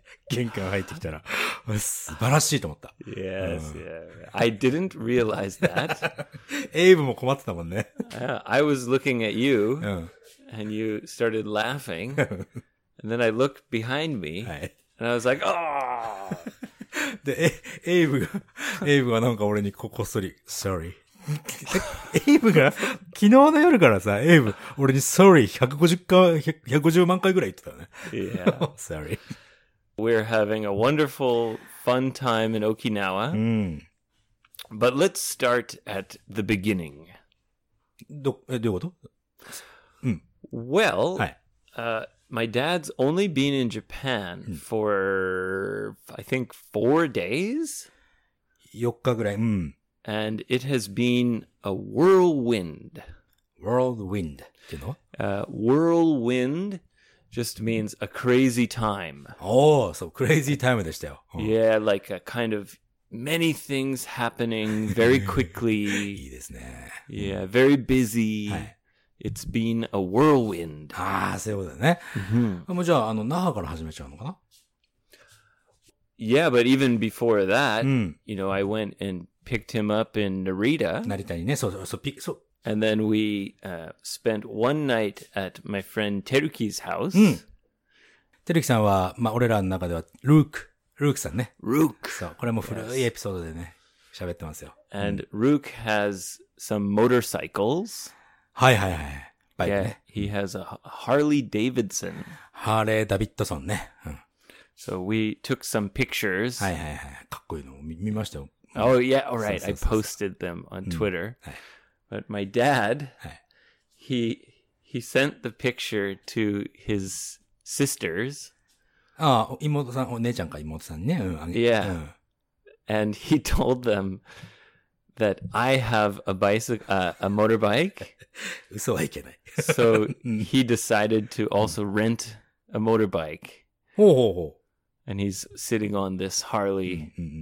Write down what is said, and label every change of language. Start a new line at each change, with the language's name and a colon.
Japanese: 玄関入ってきたら、素晴らしいと思った。
English: Yes, yeah. I didn't realize that.
Japanese: エイブも困ってたもんね。
English: I was looking at you, and you started laughing, and then I looked behind me, and I was like, oh!
Japanese: で、エイブがなんか俺にこっそり、
English: sorry.
Japanese: エイブが、昨日の夜からさ、エイブ、俺に
English: sorry
Japanese: 150万回ぐらい言ってたね。
English: Yeah. sorry. We're having a wonderful fun time in Okinawa.、But let's start at the beginning.
Japanese: どういうこと?
English: Well,、
Japanese: はい、
English: my dad's only been in Japan for, I think, 4 days?
Japanese: 4日ぐらい。
English: And it has been a whirlwind. Whirlwind, you know? Whirlwind just means a crazy time. Oh, so crazy time
Japanese: でしたよ.
English: Yeah, like a kind of many things happening very quickly.
Japanese: いいですね.
English: Yeah, very busy. It's been a whirlwind.
Japanese: ああ、そういうことだね。 Mm-hmm. もうじゃあ、那覇から始めちゃうのかな?
English: Yeah, but even before that, you know, I went and picked him up in Narita.
Japanese: 成田にね、そうそう、ピック、そう。
English: And then we spent one night at my friend Teruki's house.
Japanese: Teruki さんは、まあ、俺らの中では、Rook さんね。
English: Rook!
Japanese: そう、これも古いエピソードでね、喋ってますよ。
English: And Rook has some motorcycles.
Japanese: はいはいはい。バイクね。
English: He has a Harley Davidson.
Japanese: ハーレー・ダビッドソンね。
English: So we took some pictures.
Japanese: はいはいはい。かっこいいの見ましたよ。
English: Oh yeah, all right. I posted them on Twitter. But my dad, he sent the picture to his sisters.
Japanese: Ah, 妹さん、お姉ちゃんか妹さんね。
English: Yeah. And he told them that I have a motorbike.
Japanese: 嘘はいけない。
English: So he decided to also rent a motorbike.
Japanese: ほうほうほう。
English: And he's sitting on this Harley.